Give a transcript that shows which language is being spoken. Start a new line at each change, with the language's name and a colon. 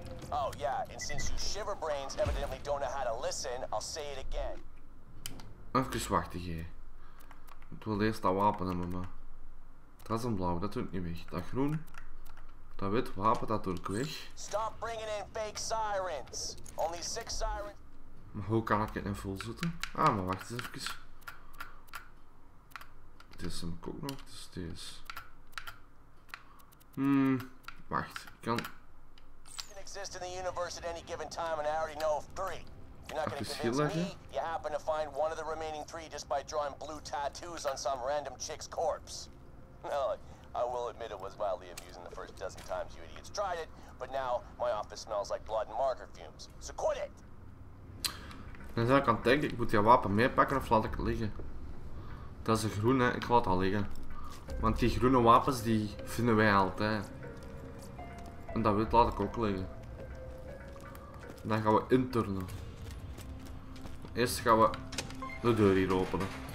Dutch: Oh ja, en
English: since you shiver brains evidently don't know how to listen, I'll say it again.
Dutch: Even wachten, G. Ik wil eerst dat wapen hebben, maar. Dat is een blauw, dat doe ik niet weg. Dat groen. Dat wit wapen, dat doe ik weg.
English: Stop bringing in fake sirens. Only six sirens.
Dutch: Maar hoe kan ik het in vol zitten? Ah, maar wacht eens even. Dit is hem ook nog, dus deze. Wacht, ik kan.
English: Exist in the universe at any given time, and I already know of three. If you're not gonna convince me, you happen to find one of the remaining three just by drawing blue tattoos on some random chick's corpse. Well, I will admit it was wildly amusing the first dozen times you idiots tried it, but now my office smells like blood and marker fumes. So quit it.
Dutch: Dan zou ik aan denken, ik moet die wapen meepakken of laat ik het liggen. Dat is een groene, ik laat het liggen. Want die groene wapens die vinden wij altijd. En dat wit laat ik ook liggen. En dan gaan we internen. Eerst gaan we de deur hier openen.